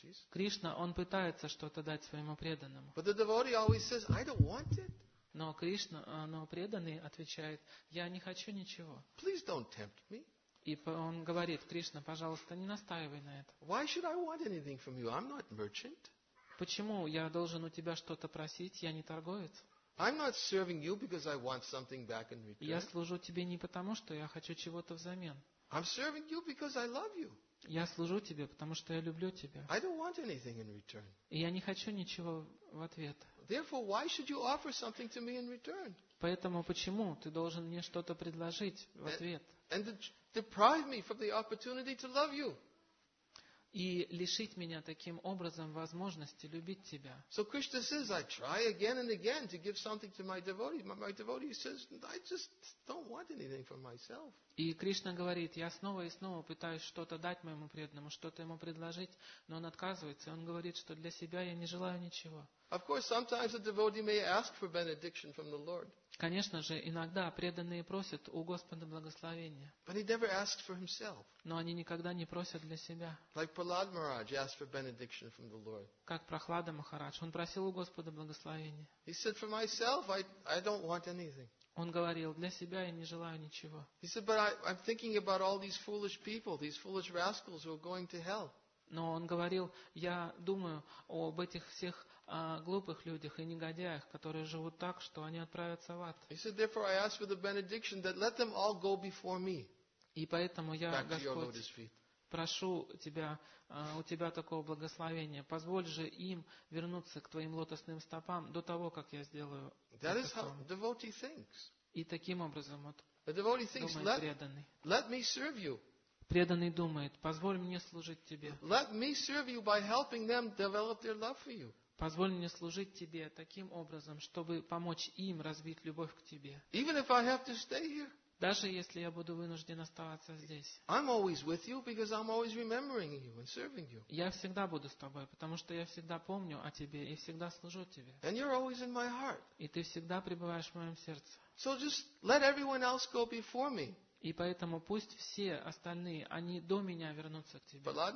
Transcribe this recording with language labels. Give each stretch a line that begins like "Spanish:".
Russian: Кришна, он пытается что-то дать своему преданному. Но преданный всегда говорит, я не хочу этого. Но Кришна, но преданный отвечает, я не хочу ничего.
English: Please don't tempt me.
Russian: И он говорит, Кришна, пожалуйста, не настаивай на это.
English: Why should I want anything from you? I'm not merchant.
Russian: Почему я должен у тебя что-то просить? Я не торговец.
English: I'm not serving you because I want something back in return.
Russian: Я служу тебе не потому, что я хочу чего-то взамен.
English: I'm serving you because I love you.
Russian: Я служу тебе, потому что я люблю тебя.
English: I don't want anything in return.
Russian: И я не хочу ничего в ответ.
English: Therefore, why should you offer something to me in return?
Russian: Поэтому почему ты должен мне что-то предложить в ответ?
English: And deprive me from the opportunity to love you.
Russian: И лишить меня таким образом возможности любить тебя.
English: So Krishna says, I try again and again to give something to my devotee. My devotee says, I just don't want anything for myself.
Russian: И Кришна говорит, я снова и снова пытаюсь что-то дать моему преданному, что-то ему предложить, но он отказывается. Он говорит, что для себя я не желаю ничего.
English: Of course, sometimes a devotee may ask for benediction from the Lord.
Russian: Конечно же, иногда преданные просят у Господа благословения.
English: But he never asks for himself.
Russian: Но они никогда не просят для себя.
English: Like Prahlad Maharaj asked for benediction from the Lord.
Russian: Как Прохлада Махарадж, он просил у Господа благословения.
English: He said, for myself, I don't want anything.
Russian: Он говорил, для себя я не желаю ничего.
English: He said, but I'm thinking about all these foolish people, these foolish rascals who are going to hell.
Russian: Но он говорил, я думаю об этих всех глупых людях и негодяях, которые живут так, что они отправятся в ад.
English: He said, therefore I ask for the benediction that let them all go before me.
Russian: И поэтому я, Господь, прошу тебя, у тебя такого благословения. Позволь же им вернуться к твоим лотосным стопам до того, как я сделаю
English: that is how the devotee thinks.
Russian: И таким образом вот думает преданный.
English: Let me serve you.
Russian: Преданный думает, позволь мне служить тебе.
English: Let me serve you by helping them develop their love for you.
Russian: Позволь мне служить тебе таким образом, чтобы помочь им развить любовь к тебе.
English: Even if I have to stay here.
Russian: Даже если я буду вынужден оставаться здесь.
English: I'm always with you because I'm always remembering you and serving you.
Russian: Я всегда буду с тобой, потому что я всегда помню о тебе и всегда служу тебе.
English: And you're always in my heart.
Russian: И ты всегда пребываешь в моем сердце.
English: So just let everyone else go before me.
Russian: И поэтому пусть все остальные, они до меня вернутся к тебе.